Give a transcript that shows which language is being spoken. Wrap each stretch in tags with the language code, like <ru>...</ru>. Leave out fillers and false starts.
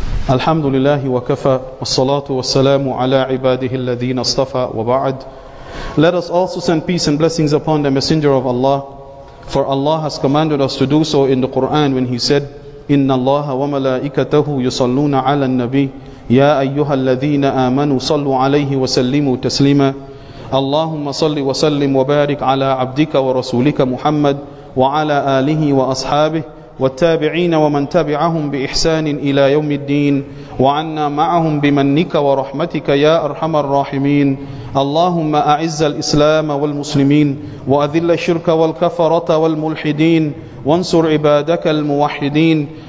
<ar>الحمد لله وكفى والصلاة والسلام على عباده الذين اصطفى وبعد.</ar> <en>Let us also send peace and blessings upon the Messenger of Allah, for Allah has commanded us to do so in the Quran when He said,</en> <ar>إن الله وملائكته يصلون على النبي يا أيها الذين آمنوا صلوا عليه وسلموا تسليما. اللهم صل وسلم وبارك على عبدك ورسولك محمد وعلى آله وأصحابه والتابعين ومن تبعهم بإحسان إلى يوم الدين وعنا معهم بمنك ورحمتك يا أرحم الراحمين. اللهم أعز الإسلام والمسلمين وأذل الشرك والكفرة والملحدين وانصر عبادك الموحدين.</ar>